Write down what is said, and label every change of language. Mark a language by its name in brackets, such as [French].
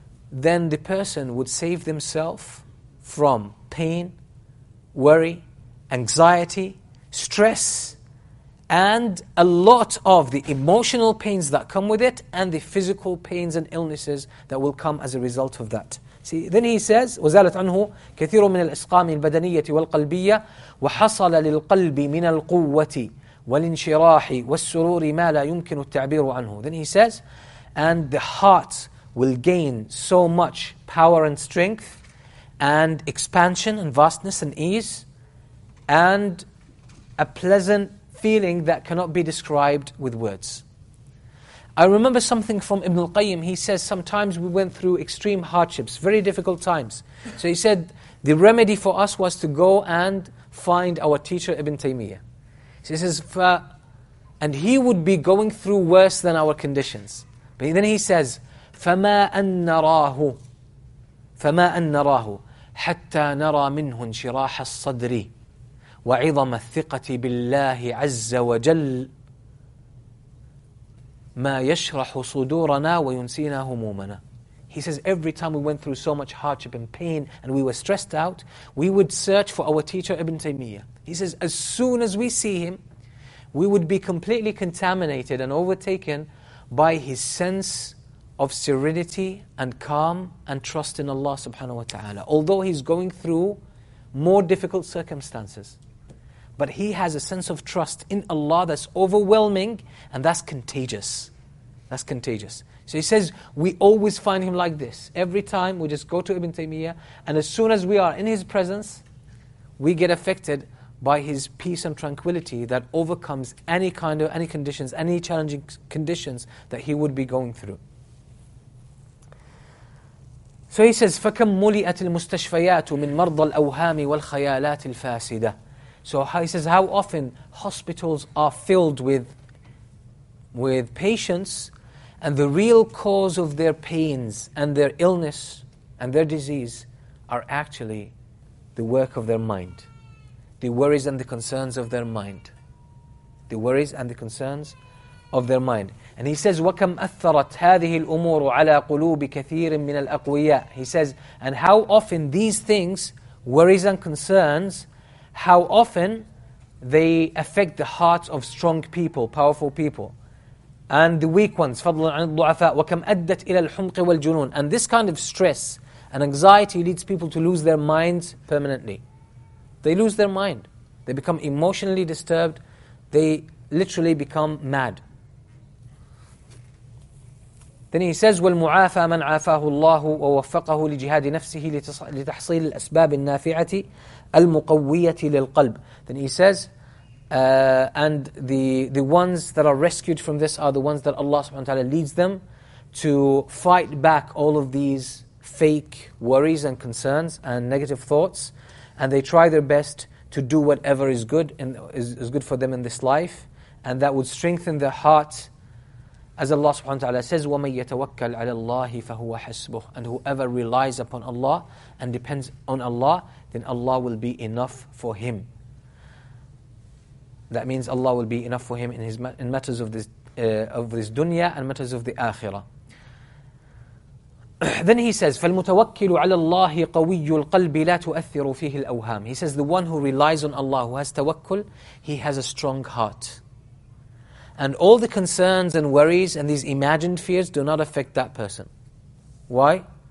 [English] then the person would save themselves from pain, worry, anxiety, stress, and a lot of the emotional pains that come with it and the physical pains and illnesses that will come as a result of that. See, then he says, [Arabic] وَزَالَتْ عَنْهُ كَثِيرٌ مِنَ الْإِسْقَامِ الْبَدَنِيَّةِ وَالْقَلْبِيَّةِ وَحَصَلَ لِلْقَلْبِ مِنَ الْقُوَّةِ وَالْإِنْشِرَاحِ وَالسُّرُورِ مَا لَا يُمْكِنُ التَّعْبِيرُ عَنْهُ. [English] Then he says, and the heart will gain so much power and strength and expansion and vastness and ease and a pleasant feeling that cannot be described with words. I remember something from Ibn al-Qayyim. He says, sometimes we went through extreme hardships, very difficult times. So he said, the remedy for us was to go and find our teacher Ibn Taymiyyah. So he says, and he would be going through worse than our conditions. But then he says, [Arabic] فَمَا أَنَّرَاهُ فَمَا أَنَّرَاهُ حَتَّى نَرَى مِنْهُ انْشِرَاحَ الصَّدْرِ وَعِظَمَ الثِّقَةِ بِاللَّهِ عَزَّ وَجَلَّ مَا يَشْرَحُ صُدُورَنَا وَيُنْسِينَا هُمُومَنَا. [English] He says, every time we went through so much hardship and pain and we were stressed out, we would search for our teacher Ibn Taymiyyah. He says, as soon as we see him, we would be completely contaminated and overtaken by his sense of serenity and calm and trust in Allah subhanahu wa ta'ala. Although he's going through more difficult circumstances, but he has a sense of trust in Allah that's overwhelming, and that's contagious. That's contagious. So he says, we always find him like this. Every time we just go to Ibn Taymiyyah, and as soon as we are in his presence, we get affected by his peace and tranquility that overcomes any kind of, any conditions, any challenging conditions that he would be going through. So he says, [Arabic] فَكَمْ مُلِئَتِ الْمُسْتَشْفَيَاتُ مِنْ مَرْضَ الْأَوْهَامِ وَالْخَيَالَاتِ الْفَاسِدَةِ. [English] So he says, how often hospitals are filled with patients, and the real cause of their pains and their illness and their disease are actually the work of their mind, the worries and the concerns of their mind. The worries and the concerns of their mind. And he says, [Arabic] وَكَمْ أَثَّرَتْ هَذِهِ الْأُمُورُ عَلَىٰ قُلُوبِ كَثِيرٍ مِّنَ الْأَقْوِيَاءِ. [English] He says, and how often these things, worries and concerns, how often they affect the hearts of strong people, powerful people, and the weak ones, [Arabic] فَضْلًا عَنِ الضُّعَفَاءِ. وَكَمْ أَدَّتْ إِلَى الْحُمْقِ وَالْجُنُونِ. [English] And this kind of stress and anxiety leads people to lose their minds permanently. They lose their mind. They become emotionally disturbed. They literally become mad. Then he says, [Arabic] وَالْمُعَافَى مَنْ عَافَاهُ اللَّهُ وَوَفَّقَهُ لِجِهَادِ نَفْسِهِ لِتَحْصِيلِ الْأَسْبَابِ النَّافِعَةِ الْمُقَوِّيَةِ لِلْقَلْبِ. [English] Then he says, and the ones that are rescued from this are the ones that Allah subhanahu wa ta'ala leads them to fight back all of these fake worries and concerns and negative thoughts, and they try their best to do whatever is good and is good for them in this life, and that would strengthen their heart. As Allah subhanahu wa ta'ala says, [Arabic] وَمَن يَتَوَكَّلْ عَلَى اللَّهِ فَهُوَ حَسْبُهُ. [English] And whoever relies upon Allah and depends on Allah, then Allah will be enough for him. That means Allah will be enough for him in matters of this dunya and matters of the akhirah. Then he says, [Arabic] فَالْمُتَوَكِّلُ عَلَى اللَّهِ قَوِيُّ الْقَلْبِ لَا تُؤَثِّرُ فِيهِ الْأَوْهَامِ. [English] He says, the one who relies on Allah, who has tawakkul, he has a strong heart. And all the concerns and worries and these imagined fears do not affect that person. Why?